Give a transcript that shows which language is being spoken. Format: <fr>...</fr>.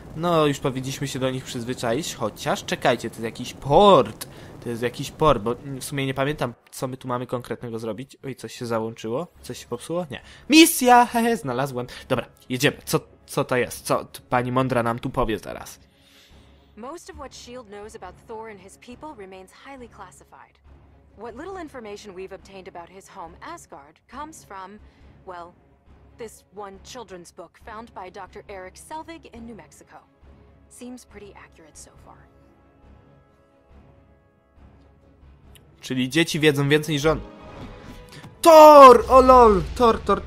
<pl>No, już powinniśmy się do nich przyzwyczaić, chociaż czekajcie, to jest jakiś port, bo w sumie nie pamiętam, co my tu mamy konkretnego zrobić. Oj, coś się załączyło, coś się popsuło? Nie. Misja, hehe, znalazłem. Dobra, jedziemy, co to jest, co pani mądra nam tu powie zaraz.</pl> <en>Most of what S.H.I.E.L.D. knows about Thor and his people remains highly classified. What little information we've obtained about his home, Asgard, comes from, well, this one children's book found by Dr. Eric Selvig in New Mexico. Seems pretty accurate so far.</en> <pl>Czyli dzieci wiedzą więcej niż on. Thor! O lol! Thor!</pl>